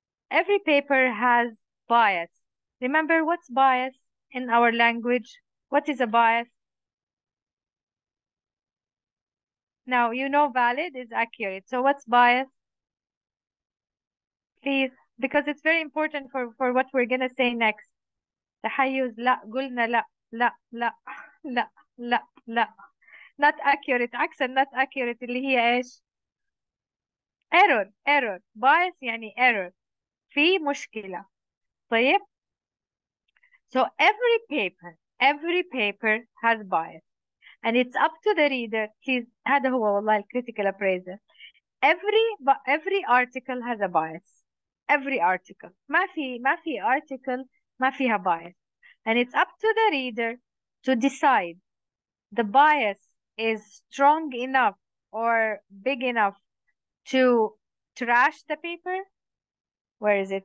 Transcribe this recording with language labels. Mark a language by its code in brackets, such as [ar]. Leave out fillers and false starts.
[en] Every paper has bias. Remember, what's bias in our language? What is a bias? Now, you know valid is accurate. So what's bias? Please, because it's very important for what we're going to say next. [ar] تحيز لا قلنا لا لا لا لا لا لا [en] not accurate. [ar] عكس [en] not accurate [ar] اللي هي ايش؟ error bias يعني error في مشكلة. [en] طيب, so every paper has bias and it's up to the reader. Please, [ar] هذا هو والله [en] critical appraisal. Every article has a bias. Every article, [ar] ما في article ما فيها bias, [en] and it's up to the reader to decide the bias is strong enough or big enough to trash the paper. Where is it?